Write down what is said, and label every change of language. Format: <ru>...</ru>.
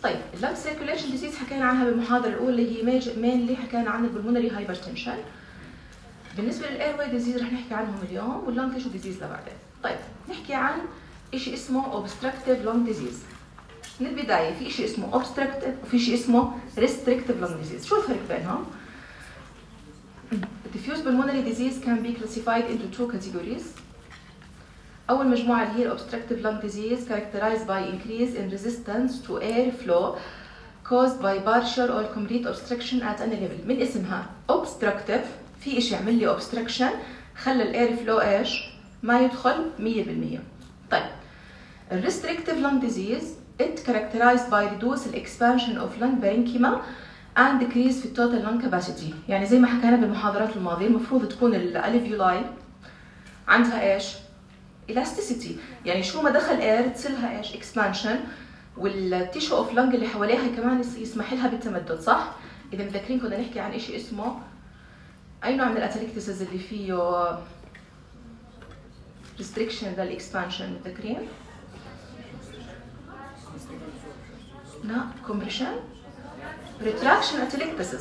<ar>طيب اللونج سيركيوليشن ديزيز حكينا عنها بالمحاضره الاولى، اللي هي مينلي حكينا عن البولمونري هايبرتنشن. بالنسبه للايرواي ديزيز رح نحكي عنهم اليوم، واللونج تيشو ديزيز لبعدين. طيب نحكي عن شيء اسمه اوبستراكتيف لونج ديزيز. من البداية في شيء اسمه obstructive وفي شيء اسمه restrictive lung disease. شو الفرق بينهم؟</ar> <en>diffuse pulmonary disease can be classified into two categories.</en> <ar>أول مجموعة هي</ar> <en>obstructive lung disease characterized by increase in resistance to air flow caused by partial or complete obstruction at any level.</en> <ar>من اسمها obstructive، في شيء عمل لي obstruction خلى ال air flow إيش ما يدخل 100%.</ar> <en>طيب restrictive lung disease it characterized by reduced expansion of lung parenchyma and decrease في total lung capacity.</en> <ar>يعني زي ما حكينا بالمحاضرات الماضيه المفروض تكون الالفيولاي عندها ايش elasticity، يعني شو ما دخل اير تصلها ايش expansion، والتيشو اوف lung اللي حواليها كمان يسمح لها بالتمدد. صح. اذا مذكرين كنا نحكي عن شيء اسمه اي نوع من الاتريكتسز اللي فيه restriction للاكسبانشن، مذكرين؟ لا كومبريشن ريتراكشن اتليكتسيس.</ar>